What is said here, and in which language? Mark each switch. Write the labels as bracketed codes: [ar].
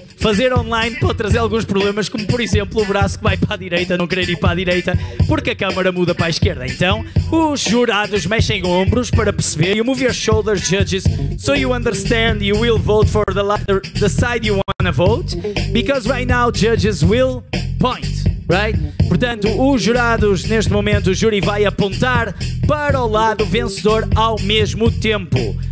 [pt] Fazer online pode trazer alguns problemas, como por exemplo o braço que vai para a direita não querer ir para a direita porque a câmara muda para a esquerda. Então os jurados mexem ombros para perceber. [en] You move your shoulders, judges, so you understand you will vote for the side you want to vote, because right now judges will point, right? [pt] Portanto, os jurados, neste momento, o júri vai apontar para o lado vencedor ao mesmo tempo.